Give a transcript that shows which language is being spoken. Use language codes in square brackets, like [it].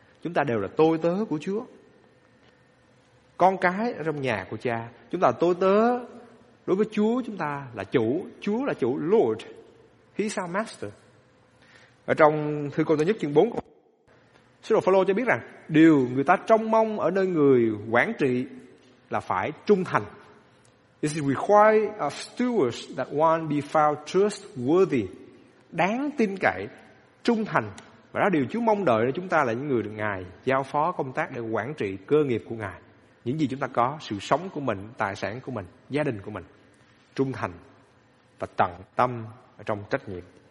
[vi] Chúng ta đều là tôi tớ của Chúa. Con cái ở trong nhà của cha, chúng ta là tôi tớ. Đối với Chúa, chúng ta là chủ. Chúa là chủ, [en] Lord. He's our master. [vi] Ở trong thư Cô Tô Nhất chương 4, sứ đồ Phaolô cho biết rằng điều người ta trông mong ở nơi người quản trị là phải trung thành. [en] It's required of stewards that one be found trustworthy. [vi] Đáng tin cậy, trung thành. Và đó điều Chúa mong đợi, chúng ta là những người được Ngài giao phó công tác để quản trị cơ nghiệp của Ngài. Những gì chúng ta có, sự sống của mình, tài sản của mình, gia đình của mình, trung thành và tận tâm ở trong trách nhiệm.